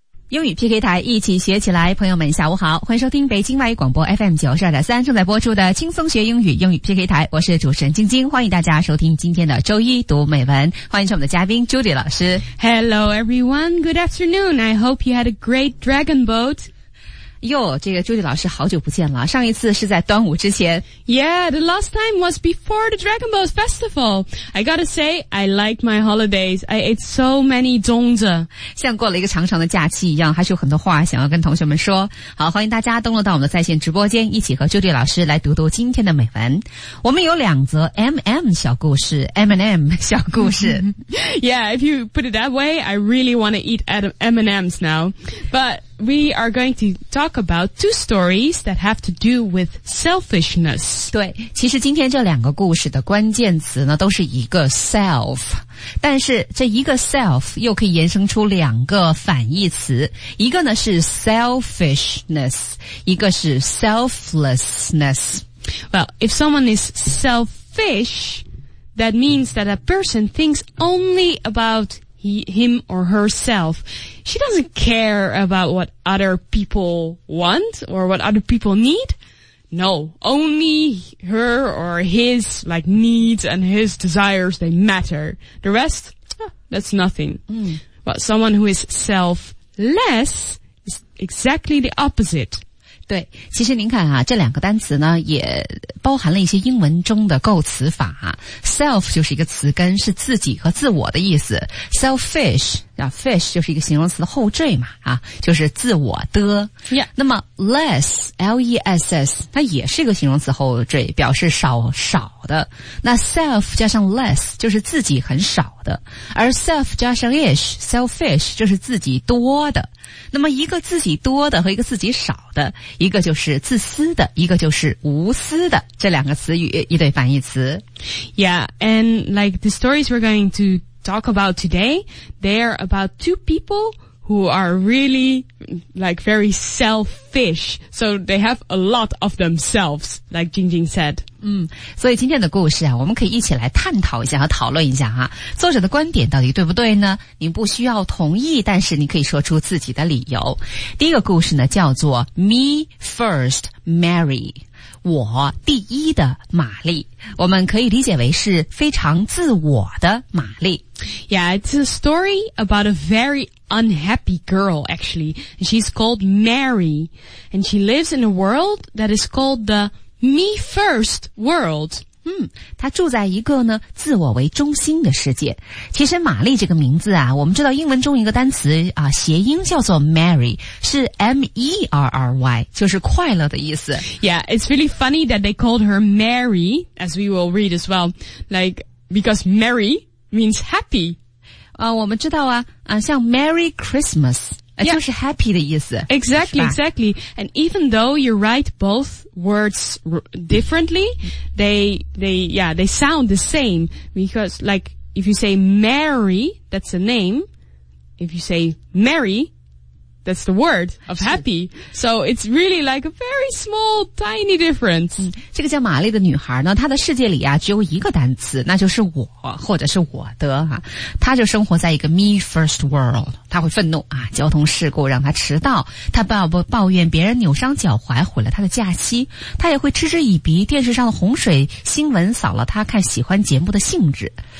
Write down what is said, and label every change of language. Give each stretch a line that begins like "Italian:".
Chinese: 英语 PK 台一起学起来，朋友们下午好，欢迎收听北京外语广播 FM92.3 正在播出的轻松学英语英语 PK 台，我是主持人晶晶，欢迎大家收听今天的周一读美文，欢迎我们的嘉宾 Judy 老师。
English: Hello everyone, good afternoon, I hope you had a great dragon boat。
Chinese: 哟，这个 Judy 老师好久不见了，上一次是在端午之前。
English: Yeah, the last time was before the dragon boat festival. I gotta say, I like my holidays. I ate so many 粽子，
Chinese: 像过了一个长长的假期一样，还是有很多话想要跟同学们说。好，欢迎大家登录到我们的在线直播间，一起和 Judy 老师来读读今天的美文。我们有两则 MM 小故事， M&M 小故事。
English: Yeah, if you put it that way, I really want to eat M&Ms now. ButWe are going to talk about two stories that have to do with selfishness.
Chinese: 对，其实今天这两个故事的关键词呢，都是一个 self， 但是这一个 self 又可以延伸出两个反义词，一个呢是 selfishness， 一个是 selflessness.
English: Well, if someone is selfish, that means that a person thinks only aboutHim or herself. She doesn't care about what other people want or what other people need. No, only her or his, like, needs and his desires, they matter. The rest, that's nothing. Mm. But someone who is selfless is exactly the opposite.
Chinese: 对，其实您看啊，这两个单词呢也包含了一些英文中的构词法。 self 就是一个词根，是自己和自我的意思。 selfish 啊 ，fish 就是一个形容词的后缀嘛，啊，就是自我的。
English: Yeah.
Chinese: 那么 less l e s s 它也是一个形容词后缀，表示少少的。那 self 加上 less 就是自己很少的，而 self 加上 ish selfish 就是自己多的。那么一个自己多的和一个自己少的，一个就是自私的，一个就是无私的，这两个词语一对反义词。
English: Yeah, and like the stories we're going to talk about today, they're about two people who are really like very selfish, so they have a lot of themselves, like Jingjing said.
Chinese: 所以今天的故事啊，我们可以一起来探讨一下和讨论一下啊，作者的观点到底对不对呢？您不需要同意，但是你可以说出自己的理由。第一个故事呢，叫做 Me First Mary， 我第一的玛丽，我们可以理解为是非常自我的玛丽。
English: Yeah, it's a story about a very unhappy girl, actually. She's called Mary, and she lives in a world that is called the Me First World.
Chinese: 她住在一个呢自我为中心的世界。其实玛丽这个名字啊，我们知道英文中一个单词啊，谐音叫做 Mary， 是 M-E-R-R-Y， 就是快乐的意思。
English: Yeah, it's really funny that they called her Mary, as we will read as well. Like, because Mary... means happy.
Chinese: 我们知道啊，像 Merry Christmas,
English: yeah,
Chinese: 就是 happy 的意思。
English: Exactly, exactly. And even though you write both words differently, they sound the same. Because like, if you say Merry, that's a name. If you say Merry, that's the word of happy. So it's really like a very small, tiny difference.
Chinese: 这个叫玛丽的女孩呢，她的世界里啊只有一个单词，那就是我或者是我的啊。她就生活在一个 me first world。她会愤怒啊，交通事故让她迟到。她抱怨别人扭伤脚踝毁了她的假期。她也会嗤之以鼻，电视上的洪水新闻扫了她看喜欢节目的兴致。